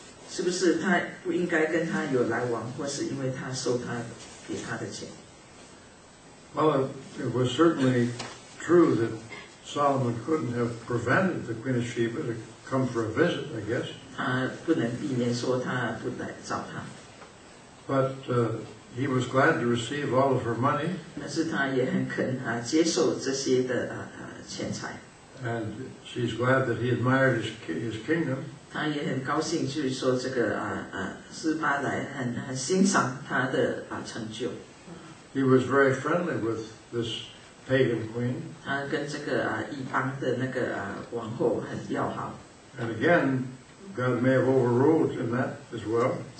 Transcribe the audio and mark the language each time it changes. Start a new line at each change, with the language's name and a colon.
Chinese: 是不是他不应该跟他有来往，或是因为他收他给他的钱？
English: Well, it was certainly true that Solomon couldn't have prevented the Queen of Sheba to come for a visit, I guess.
Chinese: 他不能避免说他不来找他。
English: But he was glad to receive all of her money.
Chinese: 但是他也很肯接受这些的钱财。
English: And she's glad that he admired his kingdom.
Chinese: 他也很高兴，就是说这个斯巴莱很欣赏他的成就。
English: He was very friendly with this pagan queen.
Chinese: 他跟这个异邦的那个王后很要好。
English: And again, God may have overruled in that as well.